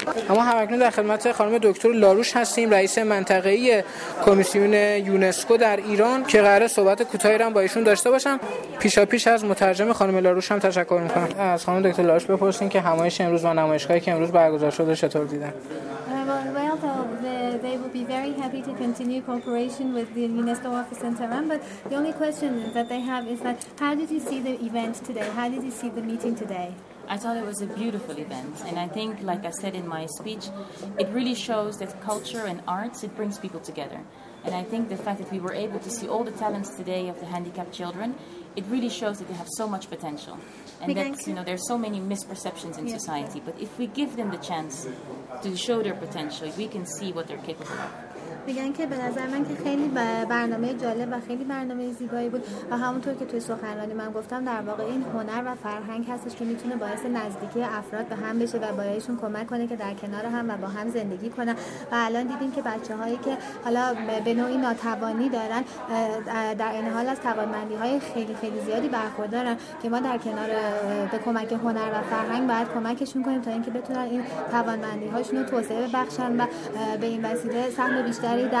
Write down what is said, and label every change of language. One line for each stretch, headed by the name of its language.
Persian: اما همکنون در خدمت خانم دکتر لاروش هستیم، رئیس منطقه‌ای کمیسیون یونسکو در ایران، که قراره صحبت کوتاهی هم با ایشون داشته باشم. پیشاپیش از مترجم خانم لاروش هم تشکر میکنم. از خانم دکتر لاروش بپرسین که همایش امروز و نمایشگاهی که امروز برگزار شده چطور دیدن؟
English: They will be very happy to continue cooperation with the UNESCO office in Tehran. But the only question that they have is that, how did you see the event today? How did you see the meeting today? I thought it was a beautiful event. And I think, like I said in my speech, it really shows that culture and arts, it brings people together. And I think the fact that we were able to see all the talents today of the handicapped children, it really shows that they have so much potential. And that, you know, there's so many misperceptions in society. But if we give them the chance to show their potential, we can see what they're capable of.
Persian: میگن که به نظر من که خیلی برنامه جالب و خیلی برنامه زیبایی بود و همونطور که توی سخنرانی من گفتم، در واقع این هنر و فرهنگ هستش که میتونه باعث نزدیکی افراد به هم بشه و باعثشون کمک کنه که در کنار هم و با هم زندگی کنن. و الان دیدیم که بچه‌هایی که حالا به نوعی ناتوانی دارن، در این حال از توانمندی‌های خیلی خیلی زیادی برخوردارن که ما در کنار به کمک هنر و فرهنگ باید کمکشون کنیم تا اینکه بتونن این توانمندی‌هاشون رو توسعه ببخشن و به این وسیله سهم